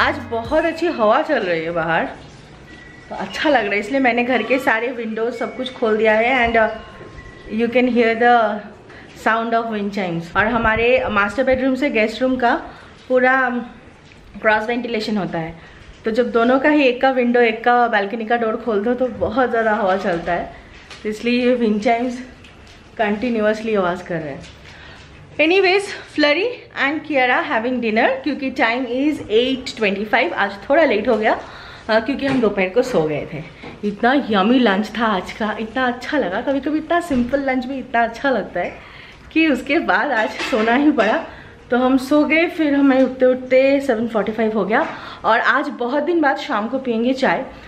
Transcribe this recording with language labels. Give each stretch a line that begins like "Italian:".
Hindi: बहुत अच्छी हवा चल रही है बाहर तो अच्छा लग रहा है, इसलिए मैंने घर के सारे विंडोज सब कुछ खोल दिया है
English: And you can hear the sound of wind chimes.
Hindi: और हमारे मास्टर बेडरूम से गेस्ट रूम का पूरा क्रॉस वेंटिलेशन होता है, तो जब दोनों का ही एक का विंडो एक का बालकनी का डोर खोल दो तो बहुत ज़्यादा हवा चलता है, तो इसलिए ये विंड चाइम्स कंटिन्यूसली आवाज़ कर रहे हैं।
English: Anyways, Flurry and Kiara having dinner क्योंकि time is 8:25।
Hindi: आज थोड़ा late हो गया क्योंकि हम दोपहर को सो गए थे। इतना yummy lunch था आज का, इतना अच्छा लगा। कभी कभी इतना simple lunch भी इतना अच्छा लगता है कि उसके बाद आज सोना ही पड़ा, तो हम सो गए। फिर हमें उठते उठते 7:45 हो गया और आज बहुत दिन बाद शाम को पियेंगे चाय।